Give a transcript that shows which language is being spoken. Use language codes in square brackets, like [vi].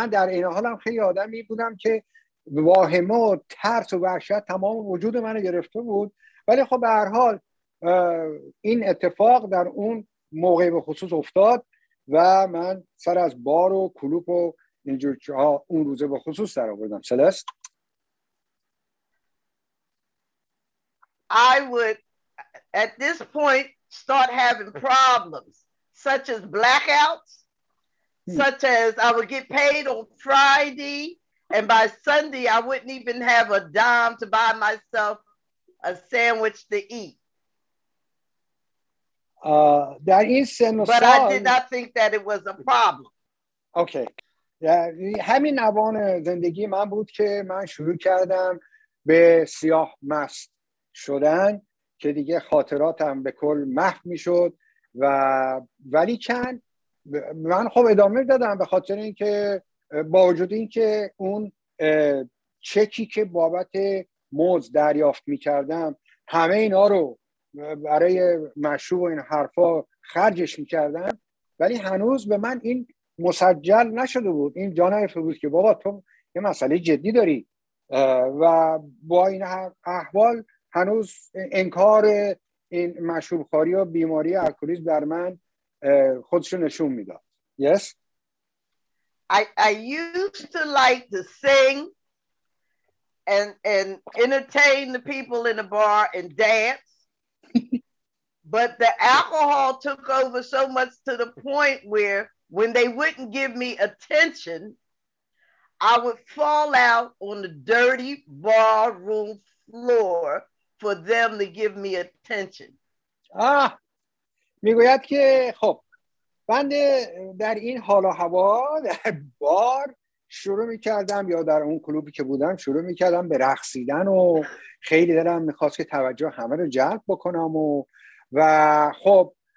[fa] من در این حال هم خیلی آدمی بودم که واهمه و ترس و وحشت تمام وجود منو گرفته بود، ولی خب به هر حال این اتفاق در اون موقع به خصوص افتاد و من سر از بار و کلوپ و اینجور چه ها اون روزه به خصوص در آوردم. سلست، [en] I would at this point start having problems such as blackouts, such as I would get paid on Friday and by Sunday I wouldn't even have a dime to buy myself a sandwich to eat. [fa] در این سن و سال [en] But I did not think that it was a problem. Okay. [fa] همین اوان زندگی من بود که من شروع کردم به سیاه مست شدن که دیگه خاطراتم به کل محو میشد و ولی کن من خب ادامه دادم به خاطر اینکه با وجود اینکه اون چکی که بابت مزد دریافت میکردم همه اینا رو برای مشروب و این حرفا خرجش میکردم، ولی هنوز به من این مسجل نشده بود، این جا نرفته بود که بابا تو یه مسئله جدی داری و با این احوال هنوز انکار این مشروب خواری و بیماری الکلیسم بر من خودشو نشون میداد. [en] Yes. I used to like to sing and entertain the people in the bar and dance. But the alcohol took over so much to the point where when they wouldn't give me attention, I would fall out on the dirty barroom floor for them to give me attention. [fa] آه، میگوید که خب بنده در این حال و هوا در بار شروع میکردم یا در اون کلوبی که بودم شروع میکردم به رقصیدن و خیلی دلم میخواست که توجه همه رو جلب بکنم و خب